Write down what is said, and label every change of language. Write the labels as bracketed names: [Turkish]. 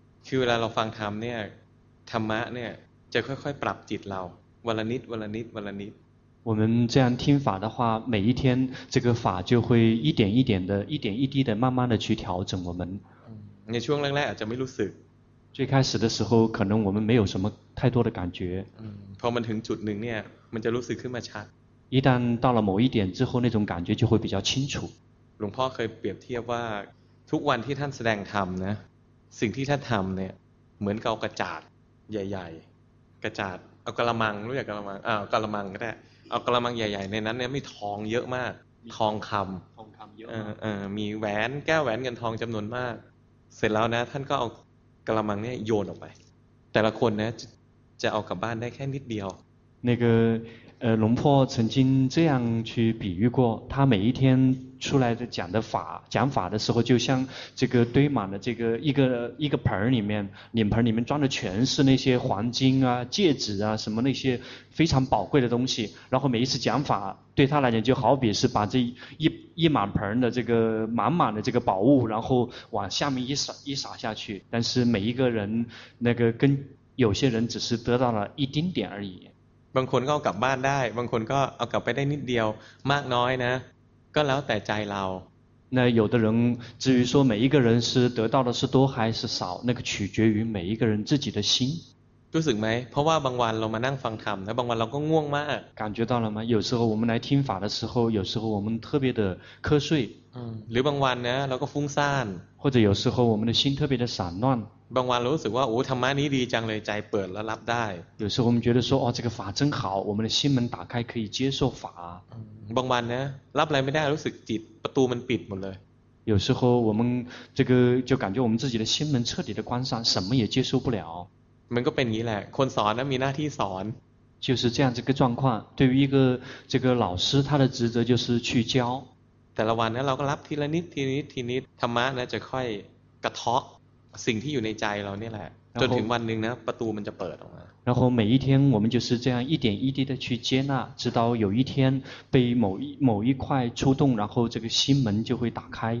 [Thai] คือเวลาเราฟังธรรมเนี่ยธรรมะเนี่ยจะค่อยๆปรับจิตเราวันละนิดวันละนิดวันละนิด [Chinese] 我们这样听法的话每一天这个法就会一点一点的一点一滴的慢慢的去调整我们 [Thai] ในช่วงแรกๆอาจจะไม่รู้สึก [Chinese] 最开始的时候可能我们没有什么太多的感觉 [Thai] พอมันถึงจุดหนึ่งเนี่ยมันจะรู้สึกขึ้นมาชัด [Chinese] 一旦到了某一点之后那种感觉就会比较清楚 [Thai] หลวงพ่อเคยเปรียบเทียบว่าทุกวันที่ท่านแสดงธรรมนะสิ่งที่ท่านทำเนี่ยเหมือนเอากระจาดใหญ่ๆกระจาดเอากะละมังรู้จักกะละมังกะละมังก็ได้เอากะละมังใหญ่ๆในนั้นเนี่ยมีทองเยอะมากทองคำ เยอะ มีแหวนแก้วแหวนเงินทองจำนวนมากเสร็จแล้วนะท่านก็เอากะละมังเนี่ยโยนออกไปแต่ละคนนะจะเอากลับบ้านได้แค่นิดเดียว [Chinese] 那个龙婆曾经这样去比喻过他每一天出来的讲法的时候就像这个堆满了这个一个脸盆里面装的全是那些黄金啊戒指啊什么那些非常宝贵的东西然后每一次讲法对他来讲就好比是把这一满盆的这个满满的这个宝物然后往下面一撒下去但是每一个人那个跟有些人只是得到了一丁点而已 [Thai] บางคนก็เอากลับบ้านได้บางคนก็เอากลับไปได้นิดเดียวมากน้อยนะก็แล้วแต่ใจเรา [Chinese] 那有的人至于说每一个人是得到的是多还是少那个取决于每一个人自己的心 [Thai] รู้สึกไหมเพราะว่าบางวันเรามานั่งฟังธรรมแล้วบางวันเราก็ง่วงมาก [Chinese] 感觉到了吗有时候我们来听法的时候有时候我们特别的瞌睡 [Thai] หรือบางวันนะเราก็ฟุ้งซ่าน [Chinese] 或者有时候我们的心特别的散乱 [Thai] บางวันรู้สึกว่าโอ้ธรรมะนี้ดีจังเลยใจเปิดแล้วรับได้ [Chinese] 有时候我们觉得说哦这个法真好我们的心门打开可以接受法 [Thai] บางวันนะรับอะไรไม่ได้รู้สึกจิตประตูมันปิดหมดเลย [Chinese] 有时候我们这个就感觉我们自己的心门彻底的关上什么也接受不了 [Thai] มันก็เป็นอย่างนี้แหละคนสอนนะมีหน้าที่สอน [Chinese] 就是这样这个状况对于一个这个老师他的职责就是去教 [Thai] แต่ละวันนะเราก็รับทีละนิดทีนิดทีนิดธรรมะนะจะค่อยกระเทาะสิ่งที่อยู่ในใจเราเนี่ยแหละจนถึงวันนึงนะประตูมันจะเปิดออกมา [Chinese] 然后每一天我们就是这样一点一滴的去接纳直到有一天被某一块触动然后这个心门就会打开